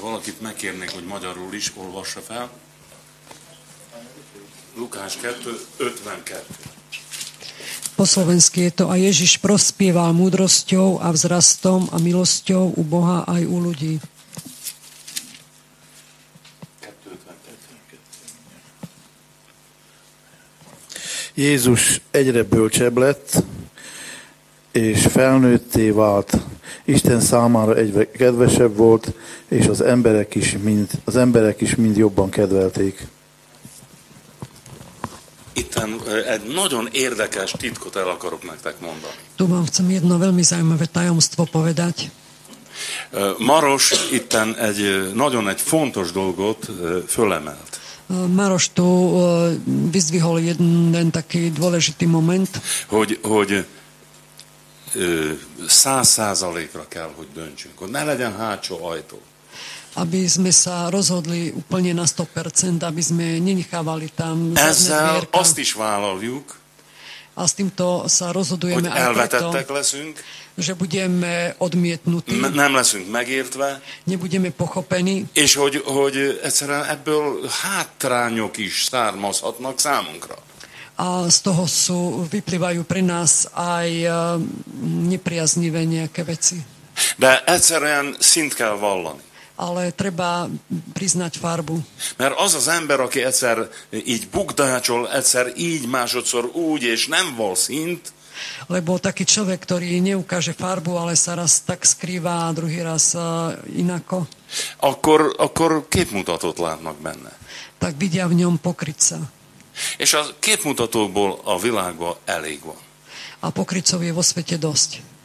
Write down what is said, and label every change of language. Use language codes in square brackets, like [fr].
[hu] Valakit megkérnék, hogy magyarul is olvassa fel. [sk] Lukáš 2:52. Po slovensky je to: a Ježiš prospieval múdrosťou a vzrastom a milosťou u Boha aj u ľudí. 2:52. [hu] Jézus egyre bölcsebb lett, és felnőtté vált. Isten számára egyre kedvesebb volt, és az emberek is mind jobban kedvelték. Itten egy nagyon érdekes titkot el akarok nektek mondani. [sk] Tu vám chcem jedno veľmi zaujímavé tajomstvo povedať. [hu] Maroš itten egy nagyon egy fontos dolgot fölemelt. [sk] Maroš tu vyzdvihol jeden taký dôležitý moment. [hu] Hogy 100%-ra kell, hogy döntsünk. Hogy ne legyen hátsó ajtó. [sk] Aby sme sa rozhodli úplne na 100%, aby sme nenechávali tam zadné [hu] dvierka. Ezzel azt is vállaljuk, [sk] a s týmto sa rozhodujeme aj preto, leszünk, že budeme odmietnutí, [hu] nem leszünk megértve, [sk] nebudeme pochopení, [hu] és hogy egyszerűen ebből hátrányok is származhatnak számunkra. [sk] A z toho sú, vyplývajú pre nás aj nepriaznivé nejaké veci. [hu] De egyszerűen szint kell vallani. [sk] Ale treba priznať farbu. [hu] Mert az az ember, aki egyszer így bukdácsol, egyszer így, másodszor úgy, és nem val szint. [sk] Lebo taký človek, ktorý neukáže farbu, ale sa raz tak skrýva, a druhý raz inako. [hu] Akkor képmutatót látnak benne. [sk] Tak vidia v ňom pokrytca. [hu] És a képmutatókból a világban elég van. [sk] A pokrytcov je vo svete dosť.